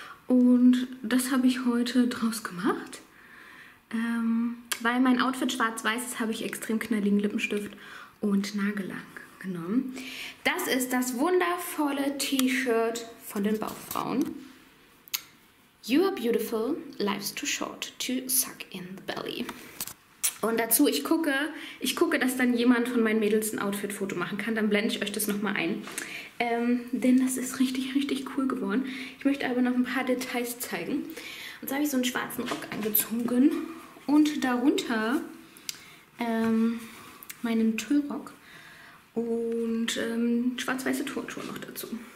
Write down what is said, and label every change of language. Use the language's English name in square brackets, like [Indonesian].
[German] Und das habe ich heute draus gemacht. Weil mein Outfit schwarz-weiß ist, habe ich extrem knalligen Lippenstift und Nagellack genommen. Das ist das wundervolle T-Shirt von den Bauchfrauen. [English] You are beautiful, life's too short to suck in the belly. [German] Und dazu, ich gucke, dass dann jemand von meinen Mädels ein Outfit-Foto machen kann. Dann blende ich euch das nochmal ein. Denn das ist richtig, richtig cool geworden. Ich möchte aber noch ein paar Details zeigen. Und so habe ich so einen schwarzen Rock angezogen und darunter meinen Tüllrock und schwarz-weiße Turnschuhe noch dazu.